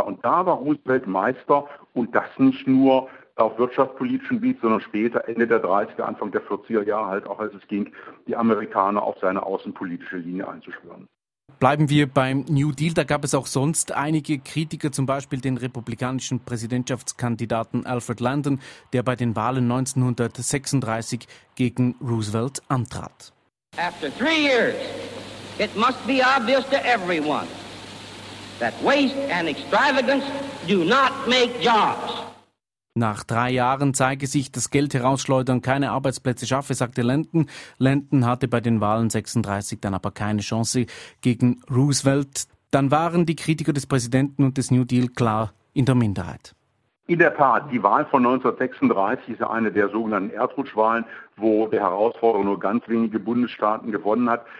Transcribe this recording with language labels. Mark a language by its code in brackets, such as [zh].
[de] Und da war Roosevelt Meister und das nicht nur auf wirtschaftspolitischen Gebiet, sondern später, Ende der 30er, Anfang der 40er Jahre, halt auch als es ging, die Amerikaner auf seine außenpolitische Linie einzuschwören. Bleiben wir beim New Deal. Da gab es auch sonst einige Kritiker, zum Beispiel den republikanischen Präsidentschaftskandidaten Alfred Landon, der bei den Wahlen 1936 gegen Roosevelt antrat. [en] After 3 years, it must be obvious to everyone that waste and extravagance do not make jobs. [de] Nach 3 Jahren zeige sich, dass Geld herausschleudern keine Arbeitsplätze schaffe, sagte Landon. Landon hatte bei den Wahlen 36 dann aber keine Chance gegen Roosevelt. Dann waren die Kritiker des Präsidenten und des New Deal klar in der Minderheit. In der Tat, die Wahl von 1936 ist eine der sogenannten Erdrutschwahlen, wo der Herausforderer nur ganz wenige Bundesstaaten gewonnen hat.